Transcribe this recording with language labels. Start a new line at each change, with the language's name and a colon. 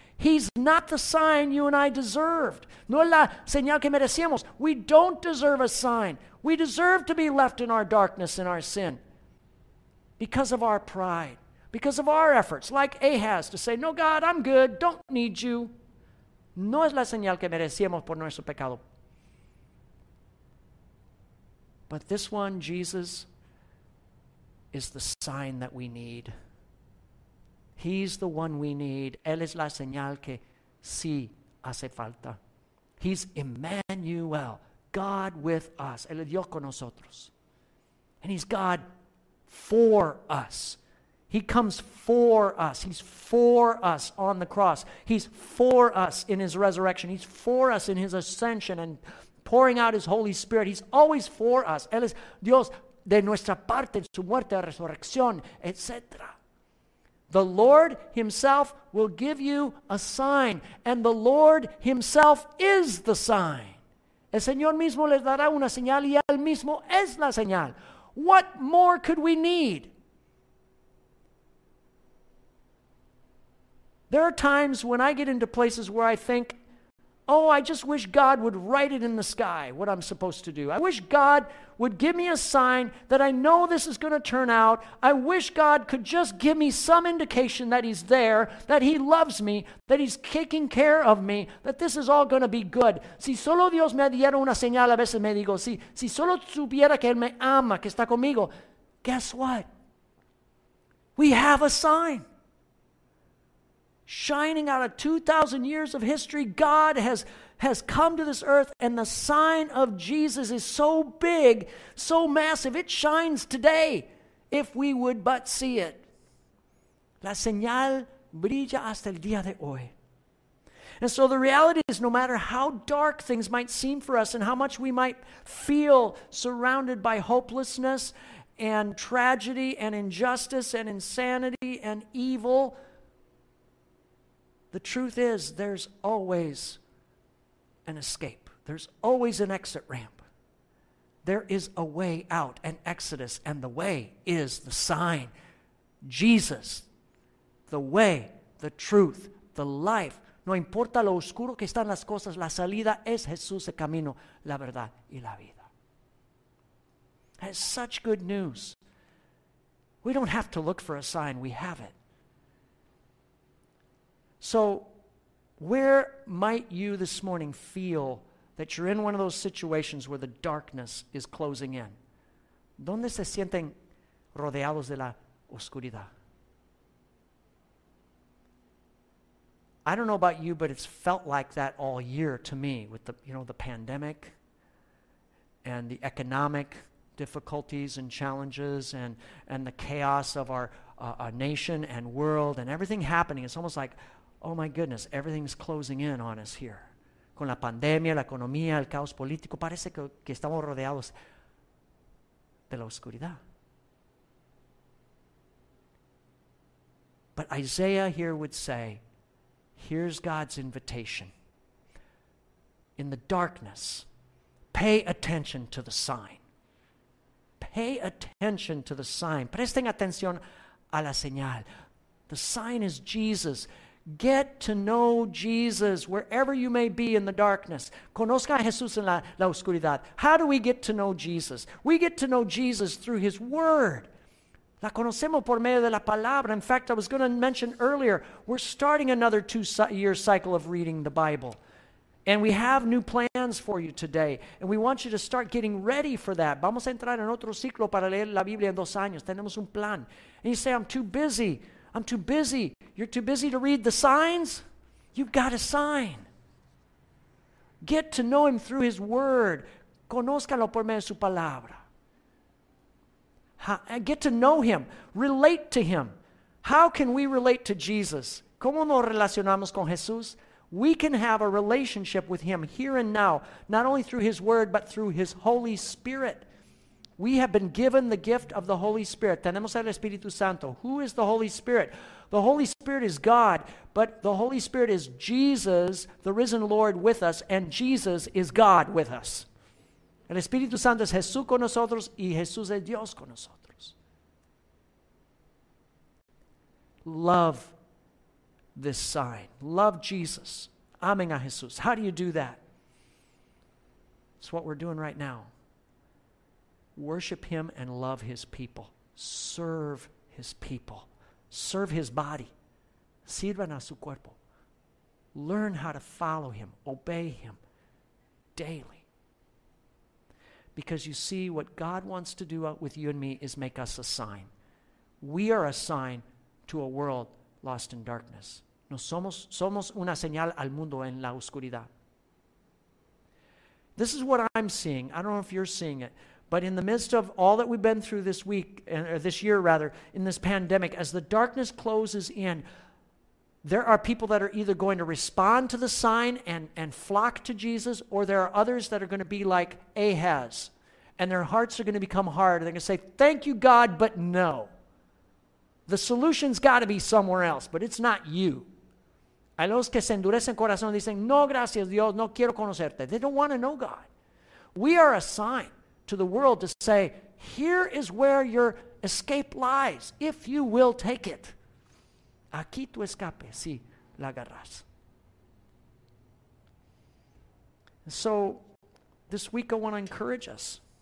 English: He's not the sign you and I deserved.
Spanish: No es la señal que merecíamos.
English: We don't deserve a sign. We deserve to be left in our darkness and our sin. Because of our pride. Because of our efforts. Like Ahaz to say, no, God, I'm good. Don't need you.
Spanish: No es la señal que merecíamos por nuestro pecado.
English: But this one, Jesus, is the sign that we need. He's the one we need.
Spanish: Él es la señal que sí hace falta.
English: He's Emmanuel, God with us.
Spanish: Él es Dios con nosotros.
English: And he's God for us. He comes for us. He's for us on the cross. He's for us in his resurrection. He's for us in his ascension and pouring out his Holy Spirit. He's always for us.
Spanish: Él es Dios de nuestra parte en su muerte, resurrección, etc.
English: The Lord himself will give you a sign, and the Lord himself is the sign.
Spanish: El Señor mismo les dará una señal y él mismo es la señal.
English: What more could we need? There are times when I get into places where I think, oh, I just wish God would write it in the sky what I'm supposed to do. I wish God would give me a sign that I know this is going to turn out. I wish God could just give me some indication that he's there, that he loves me, that he's taking care of me, that this is all going to be good.
Spanish: Si solo Dios me diera una señal, a veces me digo, si solo supiera que él me ama, que está conmigo.
English: Guess what? We have a sign. Shining out of 2,000 years of history, God has come to this earth, and the sign of Jesus is so big, so massive, it shines today if we would but see it.
Spanish: La señal brilla hasta el día de hoy.
English: And so the reality is, no matter how dark things might seem for us and how much we might feel surrounded by hopelessness and tragedy and injustice and insanity and evil, the truth is there's always an escape. There's always an exit ramp. There is a way out, an exodus, and the way is the sign. Jesus, the way, the truth, the life.
Spanish: No importa lo oscuro que están las cosas, la salida es Jesús, el camino, la verdad y la vida.
English: That's such good news. We don't have to look for a sign, we have it. So, where might you this morning feel that you're in one of those situations where the darkness is closing in?
Spanish: ¿Dónde se sienten rodeados de la oscuridad?
English: I don't know about you, but it's felt like that all year to me with the pandemic and the economic difficulties and challenges and the chaos of our nation and world and everything happening. It's almost like, oh my goodness, everything's closing in on us here.
Spanish: Con la pandemia, la economía, el caos político, parece que estamos rodeados de la oscuridad.
English: But Isaiah here would say, here's God's invitation. In the darkness, pay attention to the sign. Pay attention to the sign.
Spanish: Presten atención a la señal.
English: The sign is Jesus. Get to know Jesus wherever you may be in the darkness.
Spanish: Conozca a Jesús en la oscuridad.
English: How do we get to know Jesus? We get to know Jesus through his word.
Spanish: La conocemos por medio de la palabra.
English: In fact, I was going to mention earlier, we're starting another two-year cycle of reading the Bible. And we have new plans for you today. And we want you to start getting ready for that.
Spanish: Vamos a entrar en otro ciclo para leer la Biblia en dos años. Tenemos un plan.
English: And you say, I'm too busy. I'm too busy. You're too busy to read the signs? You've got a sign. Get to know him through his word.
Spanish: Conózcalo por medio de su palabra.
English: Get to know him. Relate to him. How can we relate to Jesus?
Spanish: ¿Cómo nos relacionamos con Jesús?
English: We can have a relationship with him here and now, not only through his word, but through his Holy Spirit. We have been given the gift of the Holy Spirit.
Spanish: Tenemos el Espíritu Santo.
English: Who is the Holy Spirit? The Holy Spirit is God, but the Holy Spirit is Jesus, the risen Lord with us, and Jesus is God with us.
Spanish: El Espíritu Santo es Jesús con nosotros y Jesús es Dios con nosotros.
English: Love this sign. Love Jesus.
Spanish: Amen a Jesús.
English: How do you do that? It's what we're doing right now. Worship him and love his people. Serve his people. Serve his body.
Spanish: Sirvan a su cuerpo.
English: Learn how to follow him. Obey him daily. Because you see, what God wants to do with you and me is make us a sign. We are a sign to a world lost in darkness.
Spanish: Somos una señal al mundo en la oscuridad.
English: This is what I'm seeing. I don't know if you're seeing it. But in the midst of all that we've been through this week, or this year rather, in this pandemic, as the darkness closes in, there are people that are either going to respond to the sign and flock to Jesus, or there are others that are going to be like Ahaz, and their hearts are going to become hard. And they're going to say, thank you, God, but no. The solution's got to be somewhere else, but it's not you.
Spanish: A los que se endurecen corazón, dicen, no, gracias, Dios, no quiero conocerte.
English: They don't want to know God. We are a sign to the world to say, here is where your escape lies, if you will take it.
Spanish: Aquí tu escape, si la agarras.
English: So, this week I want to encourage us.